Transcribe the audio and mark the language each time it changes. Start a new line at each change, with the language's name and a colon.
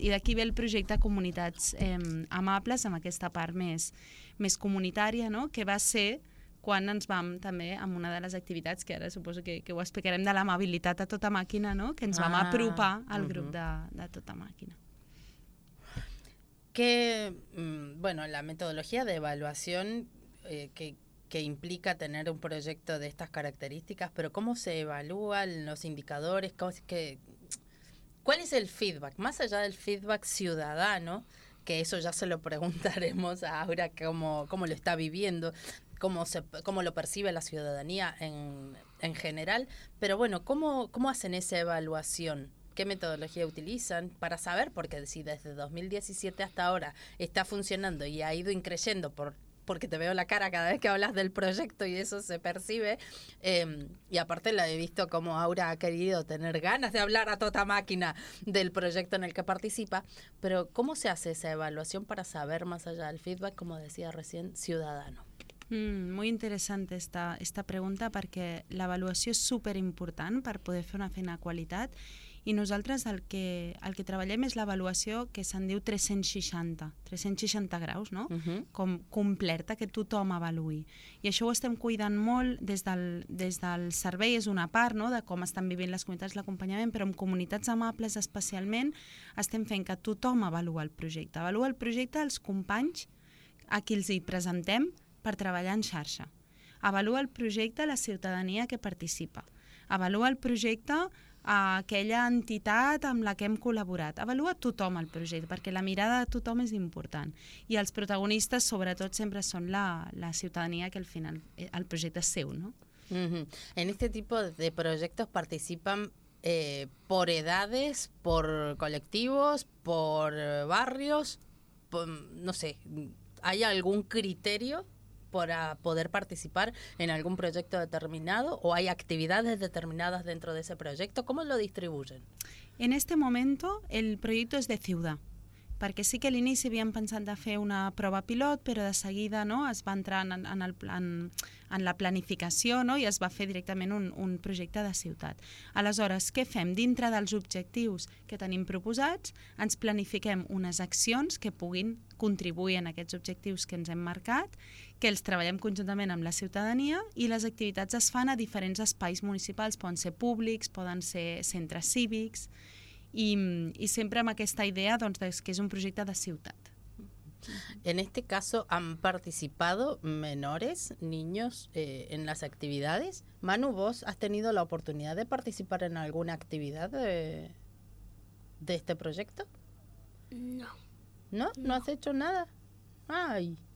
Catalan: I d'aquí ve el projecte Comunitats Amables, amb aquesta part més comunitària, ¿no?, que va ser quan ens vam també amb una de les activitats que ara suposo que ho explicarem, de l'amabilitat a tota màquina, ¿no?, que ens vam apropar al grup de tota màquina.
Spanish: Que, bueno,
Catalan: la metodologia d'avaluació
Spanish: que implica tener un proyecto de estas características, pero ¿cómo se evalúan los indicadores? ¿Cuál es el feedback? Más allá del feedback ciudadano, que eso ya se lo preguntaremos a Aura, cómo lo está viviendo, cómo lo percibe la ciudadanía en general, pero bueno, ¿cómo hacen esa evaluación? ¿Qué metodología utilizan para saber? Porque si desde 2017 hasta ahora está funcionando y ha ido increyendo porque te veo la cara cada vez que hablas del proyecto y eso se percibe. Y aparte la he visto como Aura ha querido tener ganas de hablar a toda máquina del proyecto en el que participa. Pero ¿cómo se hace esa evaluación para saber, más allá del feedback, como decía recién, ciudadano? Muy interesante esta pregunta, porque la evaluación es súper importante para poder hacer una feina de calidad.
Catalan: I nosaltres el que treballem és l'avaluació que se'n diu 360 graus, no? Com completa, que tothom avaluï. I això ho estem cuidant molt des del servei, és una part, no?, de com estan vivint les comunitats, l'acompanyament, però amb comunitats amables especialment estem fent que tothom avalua el projecte. Avalua el projecte els companys a qui els hi presentem per treballar en xarxa. Avalua el projecte la ciutadania que participa. Avalua el projecte a aquella entitat amb la que hem col·laborat. Avalua tothom el projecte, perquè la mirada de tothom és important. I els protagonistes, sobretot, sempre són la ciutadania, que al final el projecte és seu, no?
Spanish: En este tipo de proyectos participan por edades, por colectivos, por barrios, no sé, ¿hay algún criterio para poder participar en algún proyecto determinado o hay actividades determinadas dentro de ese proyecto? ¿Cómo lo distribuyen? En este momento el proyecto es de ciudad,
Catalan: perquè sí que a l'inici havíem pensat de fer una prova pilot, però de seguida, no?, es va entrar en la planificació, no?, i es va fer directament un projecte de ciutat. Aleshores, què fem? Dintre dels objectius que tenim proposats, ens planifiquem unes accions que puguin contribuir en aquests objectius que ens hem marcat, que els treballem conjuntament amb la ciutadania, i les activitats es fan a diferents espais municipals, poden ser públics, poden ser centres cívics,
Spanish: Y siempre con esta idea, entonces, que es un proyecto de ciudad. En este caso, ¿han participado menores, niños, en las actividades? Manu, ¿vos has tenido la oportunidad de participar en alguna actividad de este proyecto? No. ¿No? ¿No has hecho nada? ¡Ay!